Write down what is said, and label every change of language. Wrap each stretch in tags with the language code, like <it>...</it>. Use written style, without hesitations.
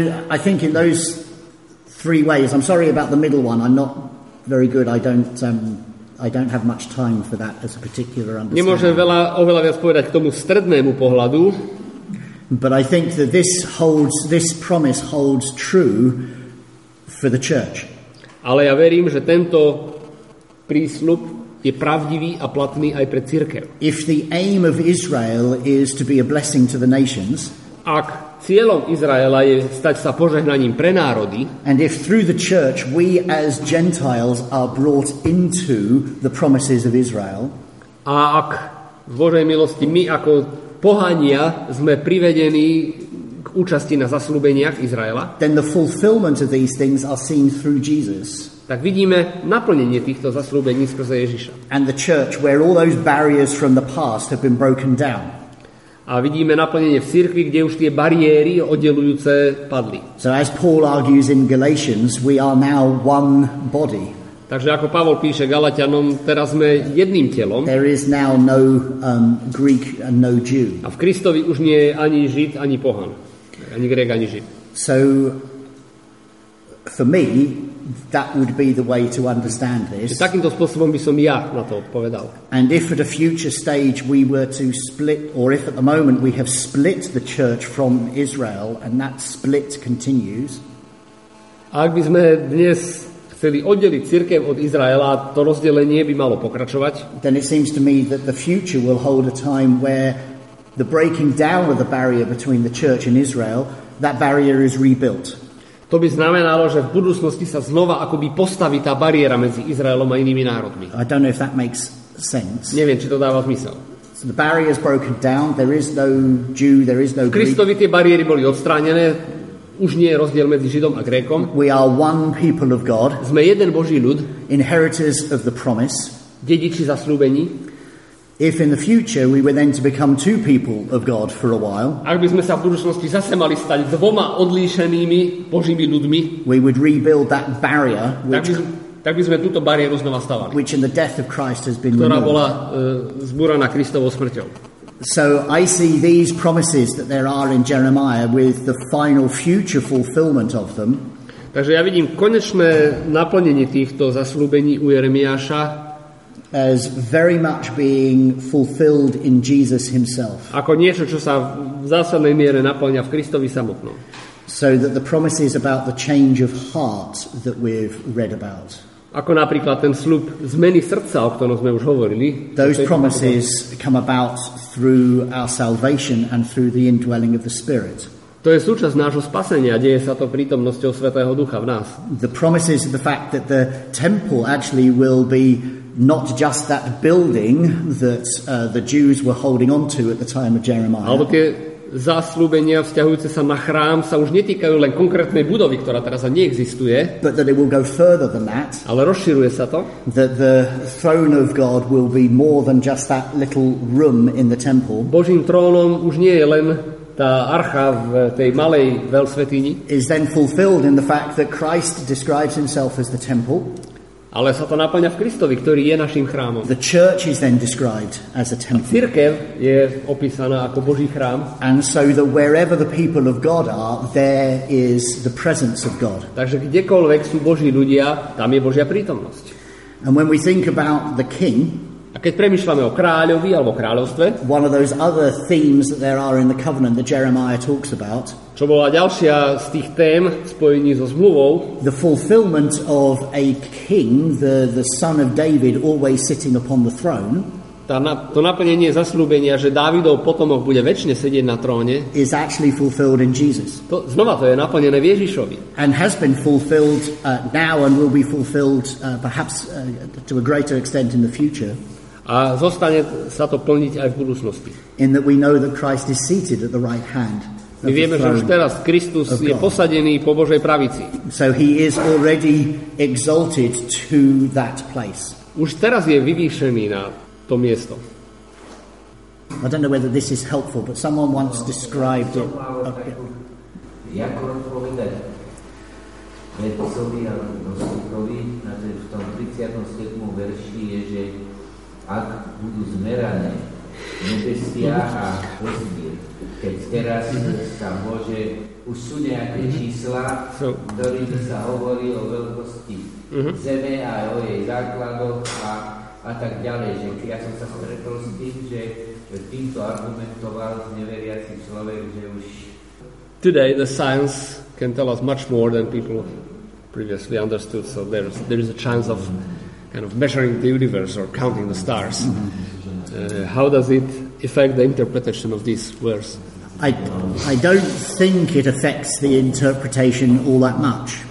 <en>I think in those three ways, I'm sorry about the middle one, I'm not very good, I don't have much time for that as a particular understanding.</en> <sk>Nemôžem oveľa viac povedať k tomu strednému pohľadu.</sk> <en>But I think that this promise holds true for the church.</en> <sk>Ale ja verím, že tento prísľub je pravdivý a platný aj pre cirkev.</sk> <en>If the aim of Israel is to be a blessing to the nations,</en> <sk>Ak cieľom Izraela je stať sa požehnaním pre národy,</sk> <en>and if through the church we as Gentiles are brought into the promises of Israel,</en> <sk>a ak z Božej milosti my ako pohania sme privedení k účasti na zasľúbeniach Izraela,</sk> <en>then the fulfillment of these things are seen through Jesus.</en> <sk>Tak vidíme naplnenie týchto zasľúbení skrze Ježiša.</sk> <en>And the church, where all those barriers from the past have been broken down.</en> <sk>A vidíme naplnenie v cirkvi, kde už tie bariéry oddelujúce padli.</sk> <en>So as Paul argues in Galatians, we are now one body.</en> <sk>Takže ako Pavol píše Galatianom, teraz sme jedným telom.</sk> <en>There is now no Greek and no Jew.</en> <sk>A v Kristovi už nie je ani Žid, ani pohan. Ani Grék, ani Žid.</sk> <en>So for me, that would be the way to understand this.</en> <sk>Takýmto spôsobom by som ja na to odpovedal.</sk> <en>And if at a future stage we were to split, or if at the moment we have split the church from Israel and that split continues.</en> <sk>Ak by sme dnes chceli oddeliť cirkev od Izraela, to rozdelenie by malo pokračovať.</sk> <en>Then it seems to me that the future will hold a time where the breaking down of the barrier between the church and Israel, that barrier is rebuilt.</en> <sk>To by znamenalo, že v budúcnosti sa znova akoby postaví tá bariéra medzi Izraelom a inými národmi.</sk> <en>I don't know if that makes sense.</en> <sk>Neviem, či to dáva zmysel.</sk> <en>So the barrier is broken down, there is no Jew, there is no Greek.</en> <sk>Kristovi tie bariéry boli odstránené, už nie je rozdiel medzi Židom a Grékom.</sk> <en>We are one people of God.</en> <sk>Sme jeden Boží ľud.</sk> <en>Inheritors of the promise.</en> <sk>Dediči zasľúbení.</sk> <en>If in the future we were then to become two people of God for a while,</en> <sk>ak by sme sa v budúcnosti zase mali stať dvoma odlíšenými Božími ľuďmi,</sk> <en>we would rebuild that barrier,</en> <sk>tak by sme túto bariéru znova stavali,</sk> <en>which in the death of Christ has been removed,</en> <sk>ktorá bola zbúraná Kristovou smrťou.</sk> <en>So I see these promises that there are in Jeremiah with the final future fulfillment of them.</en> <sk>Takže ja vidím konečné naplnenie týchto zasľúbení u Jeremiáša</sk> <en>as very much being fulfilled in Jesus himself.</en> <sk>Ako niečo, čo sa v zásadnej miere naplňa v Kristovi samotnom.</sk> <en>So that the promises about the change of heart that we've read about.</en> <sk>Ako napríklad ten sľub zmeny srdca, o ktorom sme už hovorili.</sk> <en>Those promises come about through our salvation and through the indwelling of the Spirit.</en> <sk>To je súčasť nášho spasenia, deje sa to prítomnosťou Svätého Ducha v nás.</sk> <en>The promises of the fact that the temple actually will be not just that building that the Jews were holding on to at the time of Jeremiah.</en> <sk>Alebo tie zasľúbenia vzťahujúce sa na chrám sa už netýkajú len konkrétnej budovy, ktorá teraz ani neexistuje.</sk> <en>But that it will go further than that.</en> <sk>Ale rozširuje sa to.</sk> <en>That the throne of God will be more than just that little room in the temple.</en> <sk>Božím trónom už nie je len tá archa v tej malej veľsvetíni.</sk> <en>Is then fulfilled in the fact that Christ describes himself as the temple.</en> <sk>Ale sa to naplňa v Kristovi, ktorý je našim chrámom.</sk> <en>The church is then described as a temple.</en> <sk>Cirkev je opísaná ako Boží chrám.</sk> <en>And so that wherever the people of God are, there is the presence of God.</en> <sk>Takže kdekoľvek sú Boží ľudia, tam je Božia prítomnosť.</sk> <en>And when we think about the king,</en> <sk>a keď premýšľame o kráľovi alebo kráľovstve,</sk> <en>one of those other themes that there are in the covenant that Jeremiah talks about,</en> <sk>čo bola ďalšia z tých tém spojení so zmluvou,</sk> <en>the fulfillment of a king, the son of David always sitting upon the throne,</en> <sk>to naplnenie zasľúbenia, že Dávidov potomok bude večne sedieť na tróne,</sk> <en>is actually fulfilled in Jesus.</en> <sk>To znova to je naplnené v Ježišovi.</sk> <en>And has been fulfilled now and will be fulfilled perhaps to a greater extent in the future.</en> <sk>A zostane sa to plniť aj v budúcnosti.</sk> <en>In that we know that Christ is seated at the right hand.</en> <sk>My vieme, že už teraz Kristus je posadený po Božej pravici.</sk> <en>So he is already exalted to that place.</en> <sk>Už teraz je vyvýšený na to miesto.</sk> <en>I don't know whether this is helpful, but someone once described it.</en> <sk>Jak odpovedať Metcovi a Nostikovi, že v tom 37. verši je, že ak budú zmerané nebesia a pozmír, keď teraz sa môže, už sú nejaké čísla, ktorým sa hovorí o veľkosti zeme a o jej základoch a tak ďalej, že ja som sa stretol s tým, že týmto argumentoval neveriaci človek, že už</sk> <en>today the science can tell us much more than people previously understood, so there is a chance of kind of measuring the universe or counting the stars. How does it affect the interpretation of this verse? I don't think it affects the interpretation all that much.</en>